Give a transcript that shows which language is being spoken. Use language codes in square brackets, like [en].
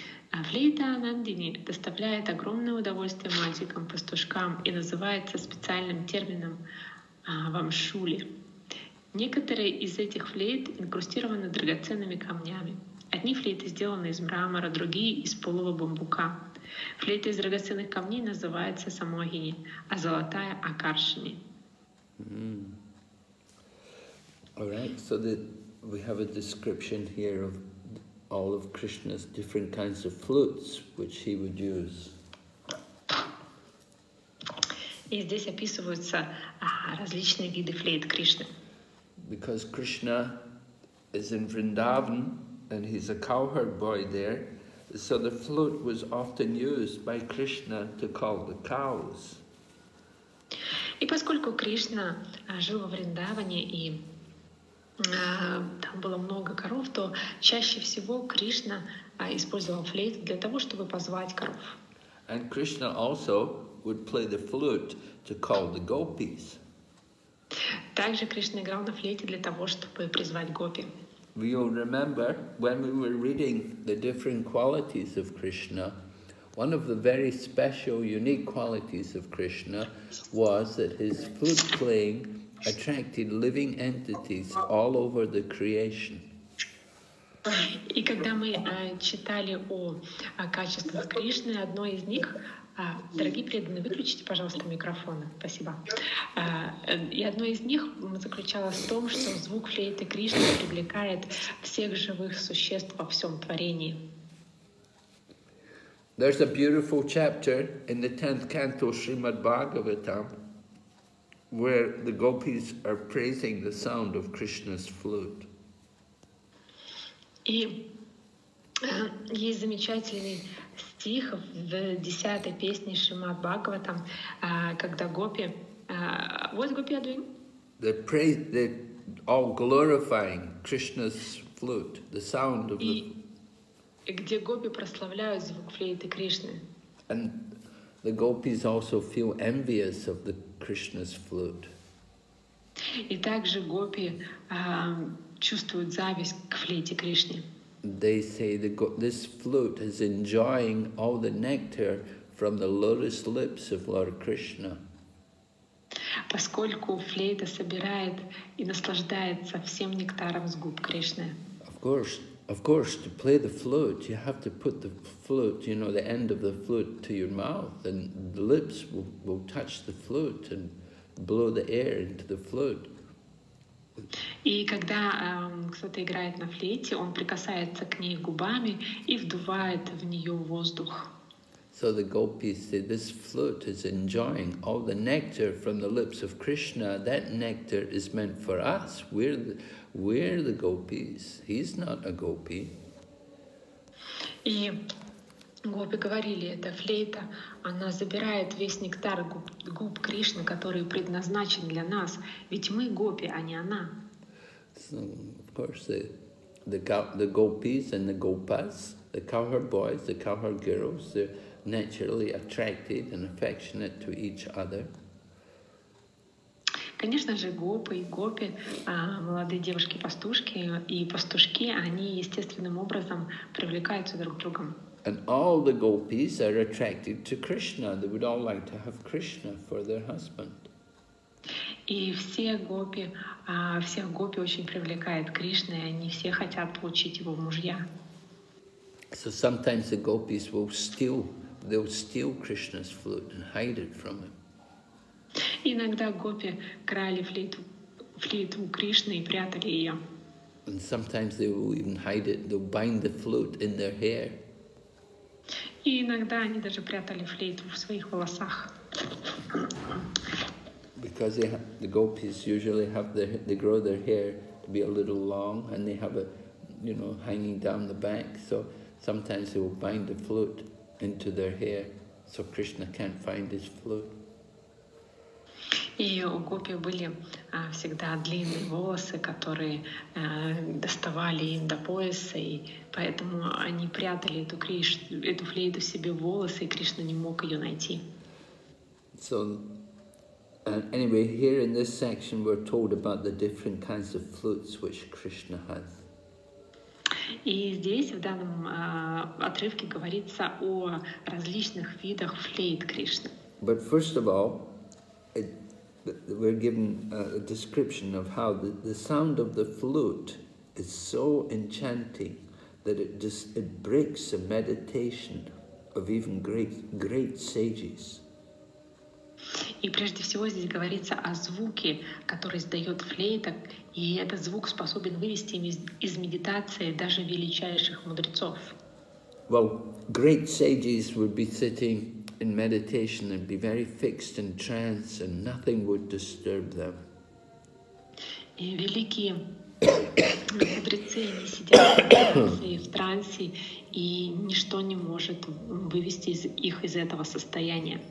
[ru] А флейта Анандини доставляет огромное удовольствие мальчикам, пастушкам и называется специальным термином вамшули. Некоторые из этих флейт инкрустированы драгоценными камнями. Одни флейты сделаны из мрамора, другие — из полого бамбука. Флейта из драгоценных камней называется Самогини, а золотая — Акаршини. Mm. [en] All right, so we have a description here of all of Krishna's different kinds of flutes, which he would use. [ru] И здесь описываются различные виды флейт Кришны. [en] Because Krishna is in Vrindavan, and he's a cowherd boy there, so the flute was often used by Krishna to call the cows. [ru] И поскольку Кришна жил во Вриндаване и там было много коров, то чаще всего Кришна использовал флейту для того, чтобы позвать коров. [en] And Krishna also would play the flute to call the gopis. [ru] Также Кришна играл на флейте для того, чтобы призвать гопи. [en] We will remember when we were reading the different qualities of Krishna, one of the very special, unique qualities of Krishna was that his flute playing attracted living entities all over the creation. [ru] И когда мы читали о качествах Кришны, одно из них, дорогие преданные, выключите, пожалуйста, микрофоны, спасибо. И одно из них заключалось в том, что звук флейты Кришны привлекает всех живых существ во всем творении. [en] There's a beautiful chapter in the 10th canto Srimad Bhagavatam where the gopis are praising the sound of Krishna's flute. [ru] И есть замечательный стих в 10-й песне Шримад Бхагаватам, когда гопи... [en] What gopi are doing? They're all glorifying Krishna's flute, the sound of the... [ru] И где гопи прославляют звук флейты Кришны. [en] And the gopis also feel envious of the Krishna's flute. [ru] И также гопи чувствуют зависть к флейте Кришны. [en] They say this flute is enjoying all the nectar from the lotus lips of Lord Krishna. [ru] Поскольку флейта собирает и наслаждается всем нектаром с губ Кришны. [en] Of course, to play the flute, you have to put the flute, you know, the end of the flute to your mouth, and the lips will touch the flute and blow the air into the flute. [ru] И когда кто-то играет на флейте, он прикасается к ней губами и вдувает в нее воздух. [en] So the gopis say this flute is enjoying all the nectar from the lips of Krishna. That nectar is meant for us. We're the gopis. He's not a gopi. [ru] И гопи говорили, эта флейта, она забирает весь нектар губ Кришны, который предназначен для нас, ведь мы гопи, а не она. [en] So, of course, the gopis and the gopas, the cowherd boys, the cowherd girls, they're naturally attracted and affectionate to each other. [ru] Конечно же, гопы и гопи, молодые девушки-пастушки и пастушки, они естественным образом привлекаются друг к другу. [en] And all the gopis are attracted to Krishna. They would all like to have Krishna for their husband. [ru] И все гопи, всех гопи очень привлекает Кришна, и они все хотят получить его в мужья. [en] So sometimes the gopis will steal, they'll steal Krishna's flute and hide it from him. [ru] Иногда гопи крали флейту Кришны и прятали ее. [en] And sometimes they will even hide it, they'll bind the flute in their hair. [ru] И иногда они даже прятали флейту в своих волосах. [en] Because the gopis usually have they grow their hair to be a little long and they have it, you know, hanging down the back. So sometimes they will bind the flute into their hair so Krishna can't find his flute. [ru] И у гопи были всегда длинные волосы, которые доставали им до пояса, и поэтому они прятали эту флейту себе в волосы, и Кришна не мог ее найти. [en] So, anyway, here in this section we're told about the different kinds of flutes which Krishna has. [ru] И здесь, в данном отрывке, говорится о различных видах флейт Кришны. [en] But first of all, we're given a description of how the sound of the flute is so enchanting that it breaks the meditation of even great sages. [ru] И прежде всего здесь говорится о звуке, который издает флейта, и этот звук способен вывести из медитации даже величайших мудрецов. [en] Well, great sages would be sitting in meditation and be very fixed in trance and nothing would disturb them. [ru] И великие мудрецы сидят в трансе, и ничто не может вывести их из этого состояния.